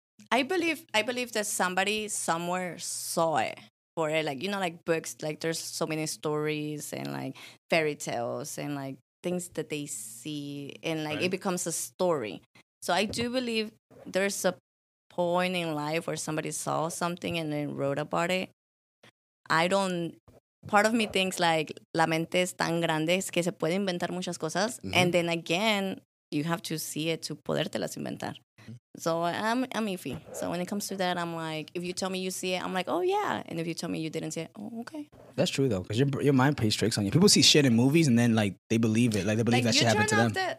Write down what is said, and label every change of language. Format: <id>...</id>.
<en>I believe that somebody somewhere saw it for it. Like, you know, like books, like there's so many stories and like fairy tales and like things that they see and like right. It becomes a story. So I do believe there's a point in life where somebody saw something and then wrote about it. Part of me thinks like</en> <es>la mente es tan grande que se puede inventar muchas cosas. Mm-hmm.</es> <en>And then again, you have to see it to</en> <es>podértelas inventar.</es> <en>So I'm iffy. So when it comes to that, I'm like, if you tell me you see it, I'm like, oh yeah. And if you tell me you didn't see it, oh okay. That's true though, because your mind plays tricks on you. People see shit in movies and then like they believe it, like they believe like, that shit happened to them.</en>